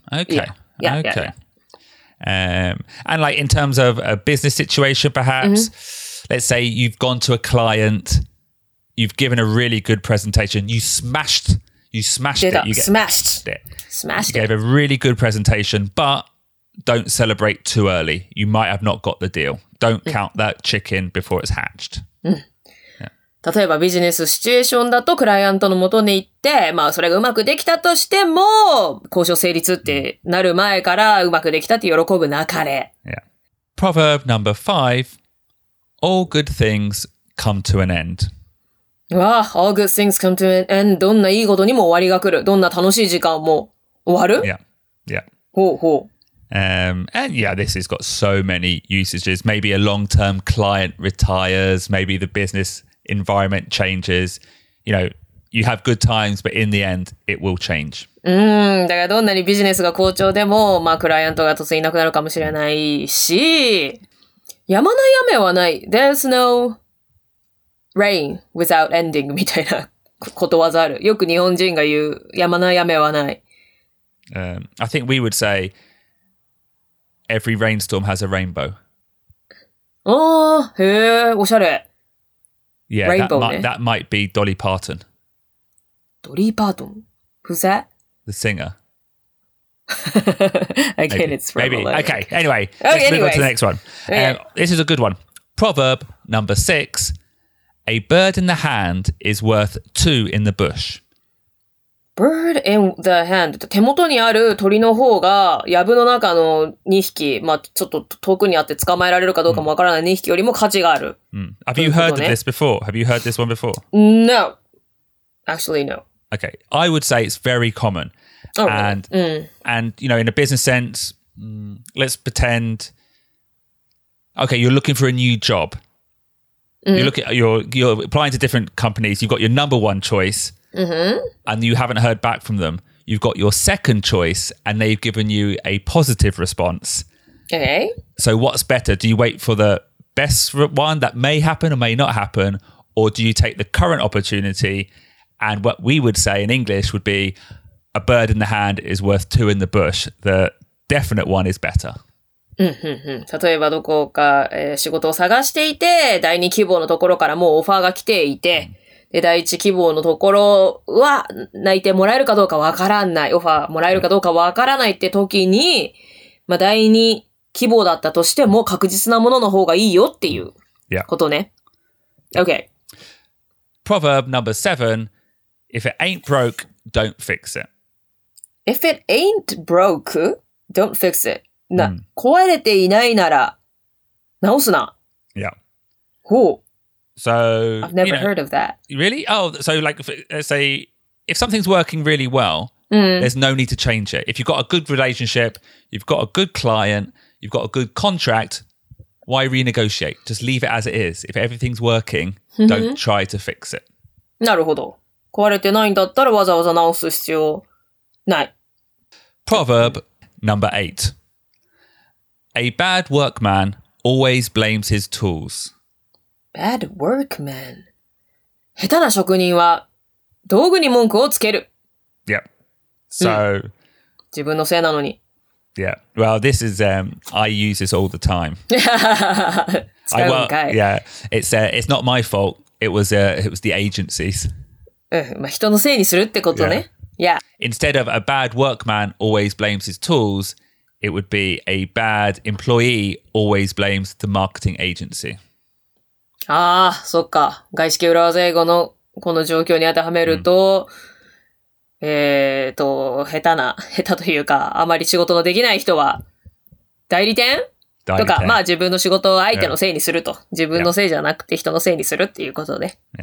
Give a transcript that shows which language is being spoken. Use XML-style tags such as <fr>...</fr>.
<en>Okay. And like in terms of a business situation perhaps, let's say you've gone to a client... You've given a really good presentation. You smashed it. You gave a really good presentation, but don't celebrate too early. You might have not got the deal. Don't count that chicken before it's hatched.</en> <ja>例えばビジネスシチュエーションだとクライアントの元に行って、まあそれがうまくできたとしても、交渉成立ってなる前からうまくできたって喜ぶなかれ。</ja> <en>Proverb number five. All good things come to an end. All good things come to an end.</en> <ja>どんないいことにも終わりが来る。どんな楽しい時間も終わる?</ja> <en>Yeah. Yeah.</en> <ja>ほうほう。</ja> <en>And yeah, this has got so many usages. Maybe a long-term client retires. Maybe the business environment changes. You know, you have good times, but in the end, it will change.</en> <ja>だからどんなにビジネスが好調でも、まあクライアントが突然いなくなるかもしれないし、止まない雨はない。</ja> <en>There's no... Rain without ending</en> <ja>みたいなことわざある。よく日本人が言う、やまない雨はない。</ja> <en>I think we would say, every rainstorm has a rainbow.</en> <ja>へえ、おしゃれ。</ja> <en>Yeah, rainbow that, ね、that might be Dolly Parton. Dolly Parton? Who's that? The singer. Again, maybe, it's from maybe. Okay, anyway, let's move on to the next one. This is a good one. Proverb number six. A bird in the hand is worth two in the bush. Bird in the hand.</en> <ja>手元にある鳥の方が、やぶの中の2匹、まあ、ちょっと遠くにあって捕まえられるかどうかもわからない2匹よりも価値がある。</ja> <en>うん、Have you heard of this before? Have you heard this one before? No. Actually, no. Okay. I would say it's very common. Oh, and,、 really? And, you know, in a business sense, let's pretend... Okay, you're looking for a new job. You're applying to different companies. You've got your number one choice、and you haven't heard back from them. You've got your second choice and they've given you a positive response. Okay. So what's better? Do you wait for the best one that may happen or may not happen? Or do you take the current opportunity? And what we would say in English would be a bird in the hand is worth two in the bush. The definite one is better.</en> <ja>うんうんうん、例えばどこか、仕事を探していて、第二希望のところからもうオファーが来ていて、で、第一希望のところは泣いてもらえるかどうかわからない、オファーもらえるかどうかわからないって時に、まあ、第二希望だったとしても確実なものの方がいいよっていうことね。</ja> <en>Yeah. Okay. Proverb number 7. If it ain't broke, don't fix it. If it ain't broke, don't fix it.</en> <ja>壊れていないなら直すな。</ja> <en>Yeah. Oh. So, I've never heard of that. Really? Oh, so like, let's say, if something's working really well, there's no need to change it. If you've got a good relationship, you've got a good client, you've got a good contract, why renegotiate? Just leave it as it is. If everything's working, don't try to fix it.</en> <ja>なるほど。壊れてないんだったらわざわざ直す必要ない。</ja> <en>Proverb number 8. A bad workman always blames his tools. Bad workman.</en> <ja>下手な職人は道具に文句をつける。</ja> <en>Yep. So.</en> <ja>自分のせいなのに。</ja> <en>Yeah. Well, this is, I use this all the time.</en> <ja>使うんかい。</ja> <en>Yeah. It's not my fault. It was the agency's.</en> <ja>まあ人のせいにするってことね。</ja> <en>Yeah. Instead of a bad workman always blames his tools,It would be a bad employee always blames the marketing agency.</en> <ja>ああ、そっか。外資系裏技英語のこの状況に当てはめると、下手というか、あまり仕事のできない人は、代理店とか、まあ自分の仕事を相手のせいにすると。自分のせいじゃなくて人のせいにするっていうことで。</ja>